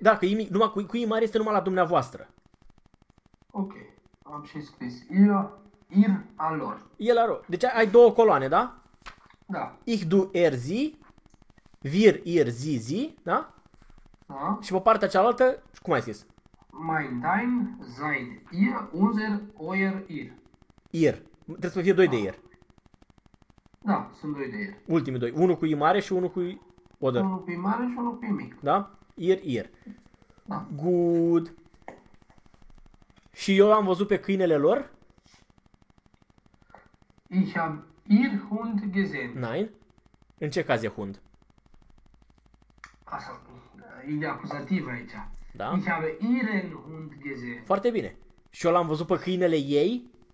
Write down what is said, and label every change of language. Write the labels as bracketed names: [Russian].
[Romanian] Da, că I mic, numai cu I mare este numai la dumneavoastră. Ok, am și scris. Ir, a lor. El a lor. Deci ai două coloane, da? Da. [German] Ich, du, er, zi. Vir, ir, zi, zi, da? [Romanian] Da. Și pe partea cealaltă, cum ai scris? [German] Mein, dein, sein, ihr, unser, euer, ihr. [Romanian] Ihr. Trebuie să fie doi da. De ihr. Da, sunt doi de ihr. Ultimii doi. Unul cu I mare și unul cu I odă. Unul cu I mare și unul cu I mic. Da? Ihr, ihr. Da. Good. Și eu am văzut pe câinele lor. [German] Ich hab ihr Hund gesehen. [Romanian] Nein. În ce caz e Hund? Asta, e acuzativ aici. Da? [German] Ich habe ihren Hund gesehen. [Romanian] Foarte bine. Și eu l-am văzut pe câinele ei.